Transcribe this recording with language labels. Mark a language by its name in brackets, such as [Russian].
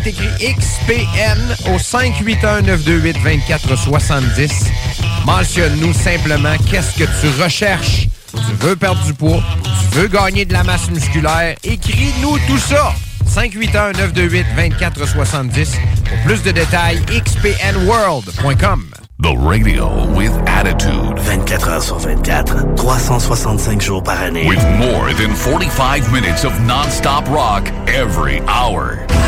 [French] T'écris XPN au 581-928-2470. Mentionne-nous simplement qu'est-ce que tu recherches. Tu veux perdre du poids? Tu veux gagner de la masse musculaire? Écris-nous tout ça! 581-928-2470. Pour plus de détails, xpnworld.com. [English] The radio with attitude. [French] 24 heures sur 24, 365 jours par année. [English] With more than 45 minutes of non-stop rock every hour.